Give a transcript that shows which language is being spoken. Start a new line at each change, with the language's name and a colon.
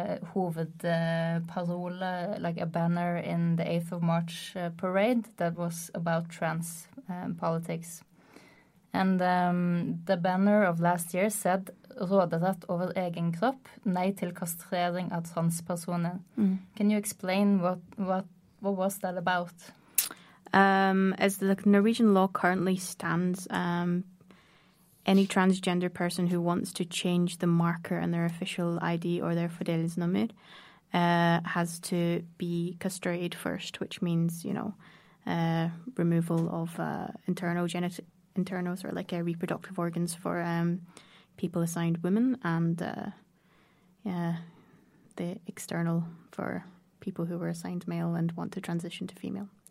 English: hovedparole, like a banner in the 8th of March parade that was about trans politics. And the banner of last year said,
Norwegian: Råderett over egen kropp, nei til kastrering av transpersoner.
English: Mm. Can you explain what was that about? As the Norwegian law currently stands, any transgender person who wants to change the marker in their official ID or their fødselsnummer has to be castrated first, which means, you know, removal of internals or like reproductive organs for people assigned women and the external for people who were assigned male and want to transition to female.